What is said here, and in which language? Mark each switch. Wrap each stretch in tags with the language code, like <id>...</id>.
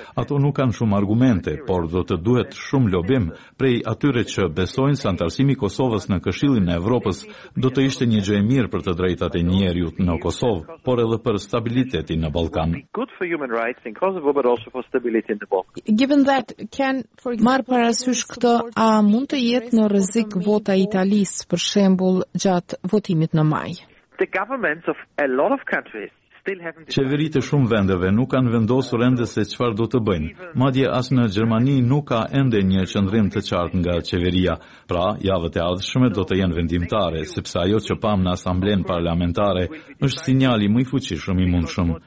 <sq>Ato nuk kanë shumë argumente, por do të duhet shumë lobim prej atyre që besojnë se antarësimi i Kosovës në Këshillin e Evropës do të ishte një gjë e mirë për të drejtat e njerëzit në Kosovë, por edhe për stabilitetin në Ballkan.</sq> <en>Given that can for example</en> <sq>marr parasysh këtë, a mund të jetë në rrezik vota Italisë për shembull gjatë votimit në maj?</sq> <en>The governments of a lot of countries.</en> <sq>Qeveritë shumë vendeve nuk kanë vendosur ende se çfarë do të bëjnë. Madje as në Gjermani nuk ka ende një qëndrim të qartë nga qeveria. Pra, javët e ardhshme do të jenë vendimtare, sepse ajo që pam në Asamblen Parlamentare është sinjali më i fuqishëm i mundshëm.</sq>